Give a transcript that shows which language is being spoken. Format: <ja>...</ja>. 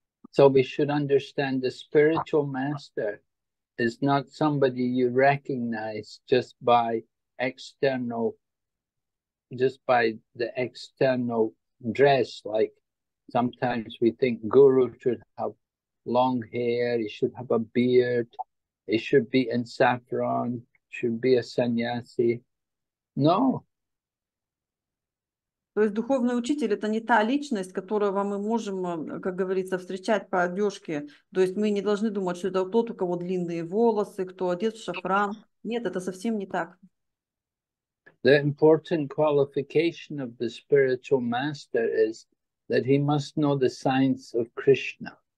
<en>So we should understand the spiritual master is not somebody you recognize just by external, just by the external dress. Like sometimes we think guru should have long hair, he should have a beard, he should be in saffron, should be a sannyasi. No.</en> <ru>То есть духовный учитель — это не та личность, которого мы можем, как говорится, встречать по одежке. То есть мы не должны думать, что это тот, у кого длинные волосы, кто одет в шафран. Нет, это совсем не так.</ru> <en>The important qualification of the spiritual master is that he must know the science of Krishna.</en>